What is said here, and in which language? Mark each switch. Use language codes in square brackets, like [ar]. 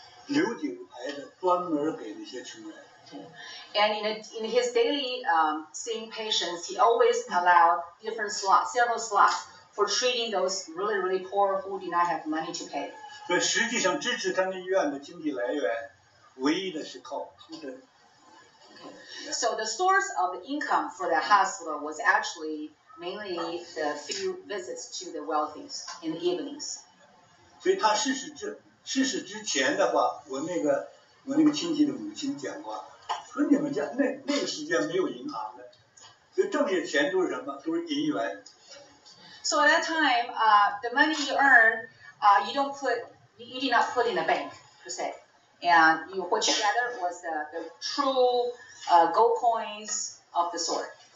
[zh] 要留几个牌子，因为他挂号有牌子，拿着牌子可以看病，留几个牌子专门给那些穷人。 [en] And in his daily seeing patients, he always allowed different slots, several slots for treating those really really poor who did not have money to pay. [zh] 所以实际上支持他那医院的经济来源，唯一的是靠出诊。 [en] So the source of income for the hospital was actually mainly the few visits to the wealthy in the evenings. [zh] 所以他逝世之前的话，我那个亲戚的母亲讲过，说你们家那个时间没有银行的，所以挣的钱都是什么，都是银元。 [en] So at that time, the money you earn, you did not put in a bank per se, and you what you gathered was the true gold coins of the sort.